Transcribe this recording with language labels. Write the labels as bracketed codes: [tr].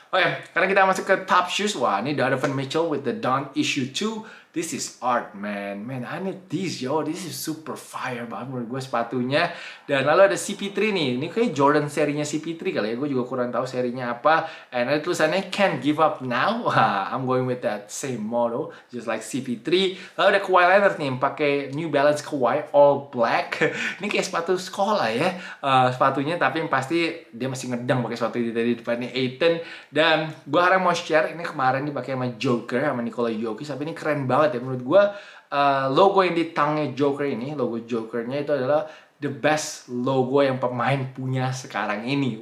[id] Oke, sekarang kita masuk ke top shoes. Wah, ini Donovan Mitchell with the dunk issue 2. [en] This is art, man. Man, I need this, yo. This is super fire [id] banget menurut gue sepatunya. Dan lalu ada CP3 nih. Ini kayak Jordan serinya CP3 kali ya. Gue juga kurang tahu serinya apa. [en] And [id] ada tulisannya, [en] can't give up now. I'm going with that same motto, just like CP3. [id] Lalu ada Kawhi Leonard nih, pakai New Balance Kawhi all black. Ini kayak sepatu sekolah ya, sepatunya. Tapi yang pasti dia masih ngedang pakai sepatu ini tadi depannya Aiton. Dan gue harap mau share, ini kemarin dipakai sama Joker, sama Nikola Jokic. Tapi ini keren banget ya menurut gue. Logo yang di tangnya Joker ini, logo Jokernya itu adalah [en] the best logo [id] yang pemain punya sekarang ini.